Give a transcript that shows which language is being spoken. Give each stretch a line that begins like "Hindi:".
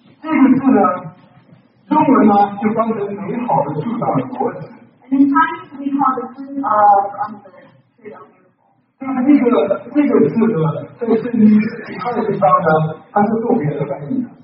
Chinese: 这个字呢，中文呢就翻成美好的树上的果子。
English: And in Chinese we call the fruit of the tree of beautiful.
Chinese: 那么这个字呢，在圣经其他的地方呢，它是做别的翻译的。